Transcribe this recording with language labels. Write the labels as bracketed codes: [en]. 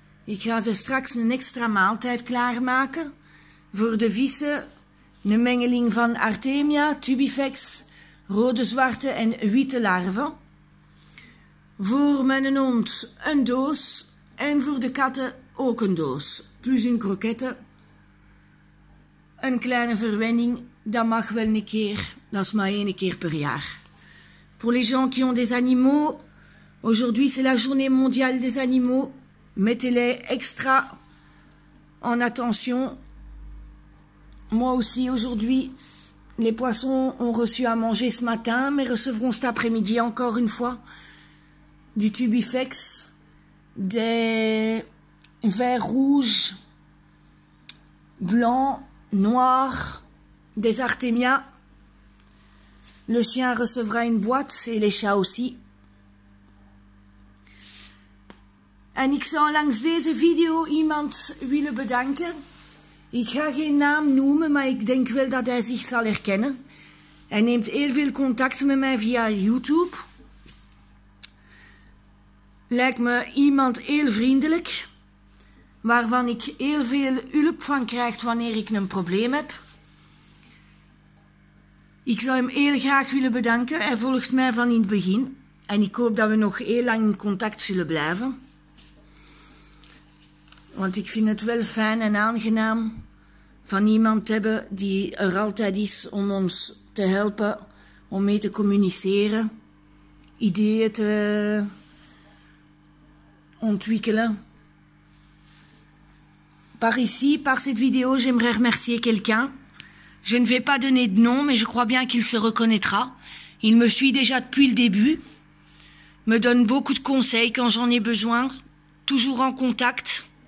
[nl] Ik ga ze straks een extra maaltijd klaarmaken. Voor de vissen, een mengeling van Artemia, Tubifex, rode, zwarte en witte larven. Voor mijn hond een doos en voor de katten ook een doos. Plus een krokette. Een kleine verwenning, dat mag wel een keer. Dat is maar 1 keer per jaar. Voor de mensen die [fr] des animaux, aujourd'hui c'est la journée mondiale des animaux. Mettez-les extra en attention. Moi aussi, aujourd'hui, les poissons ont reçu à manger ce matin, mais recevront cet après-midi encore une fois du Tubifex, des vers rouges, blancs, noirs, des Artemia. Le chien recevra une boîte et les chats aussi. [nl] En ik zou langs deze video iemand willen bedanken. Ik ga geen naam noemen, maar ik denk wel dat hij zich zal herkennen. Hij neemt heel veel contact met mij via YouTube. Lijkt me iemand heel vriendelijk, waarvan ik heel veel hulp van krijg wanneer ik een probleem heb. Ik zou hem heel graag willen bedanken. Hij volgt mij van in het begin. En ik hoop dat we nog heel lang in contact zullen blijven. Want ik vind het wel fijn en aangenaam van iemand te hebben die er altijd is om ons te helpen, om mee te communiceren, ideeën te ontwikkelen. [fr] Par ici, par cette vidéo, j'aimerais remercier quelqu'un. Je ne vais pas donner de nom, mais je crois bien qu'il se reconnaîtra. Il me suit déjà depuis le début, me donne beaucoup de conseils quand j'en ai besoin, toujours en contact.